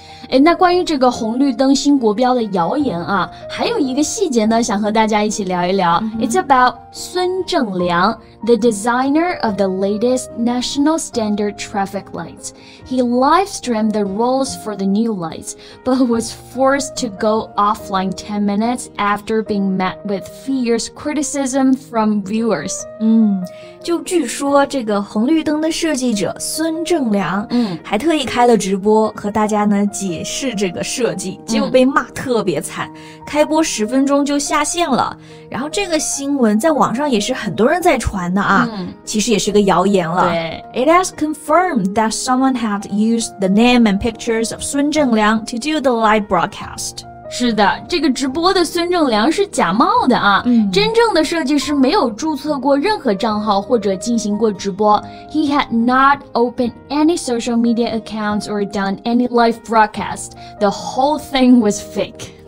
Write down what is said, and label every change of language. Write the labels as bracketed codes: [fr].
[zh] 哎，那关于这个红绿灯新国标的谣言啊，还有一个细节呢，想和大家一起聊一聊。 [en] It's about 孙正良, the designer of the latest national standard traffic lights. He livestreamed the rules for the new lights, but was forced to go offline 10 minutes after being met with fierce criticism from viewers. [zh] 就据说这个红绿灯的设计者孙正良，还特意开了直播和大家呢解释这个设计，结果被骂特别惨，开播十分钟就下线了。然后这个新闻在网上也是很多人在传的啊，其实也是个谣言了。对 [en] ，It has confirmed that someone had used the name and pictures of 孙正良 to do the live broadcast. [zh] 是的，这个直播的孙正良是假冒的啊，真正的设计师没有注册过任何账号或者进行过直播。 [en] He had not opened any social media accounts or done any live broadcast. The whole thing was fake.